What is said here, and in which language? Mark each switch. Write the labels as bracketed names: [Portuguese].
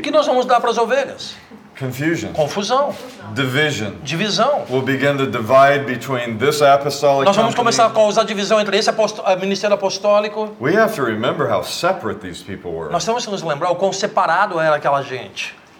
[Portuguese] O que nós vamos dar para as ovelhas? [English] Confusion. [Portuguese] Confusão. [English] Division. [Portuguese] Divisão. [English] We'll begin to divide between this apostolic. [Portuguese] Nós vamos começar a causar divisão entre esse ministério apostólico. [English] We have to remember how separate these people were. [Portuguese] Nós temos que nos lembrar o quão separado era aquela gente.